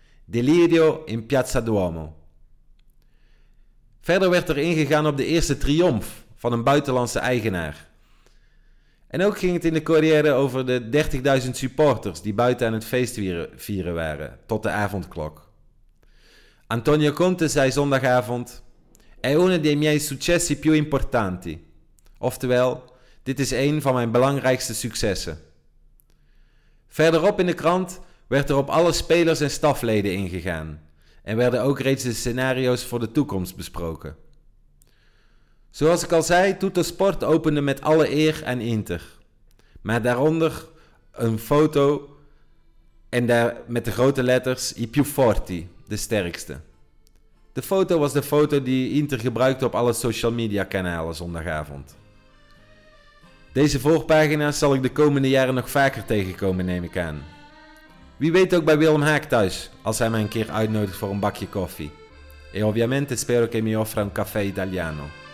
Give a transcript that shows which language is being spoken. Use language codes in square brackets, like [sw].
[it] Delirio in Piazza Duomo. [nl] Verder werd er ingegaan op de eerste triomf van een buitenlandse eigenaar. En ook ging het in de Corriere over de 30.000 supporters die buiten aan het feest vieren waren, tot de avondklok. Antonio Conte zei zondagavond: [it] è uno dei miei successi più importanti. [nl] Oftewel, dit is een van mijn belangrijkste successen. Verderop in de krant werd er op alle spelers en stafleden ingegaan en werden ook reeds de scenario's voor de toekomst besproken. Zoals ik al zei, Tutto Sport opende met alle eer aan Inter. Maar daaronder een foto en daar met de grote letters [it] I più forti, [nl] de sterkste. De foto was de foto die Inter gebruikte op alle social media kanalen zondagavond. Deze volgpagina zal ik de komende jaren nog vaker tegenkomen, neem ik aan. Wie weet ook bij Willem Haak thuis, als hij mij een keer uitnodigt voor een bakje koffie. [it] E ovviamente spero che mi offra un caffè italiano.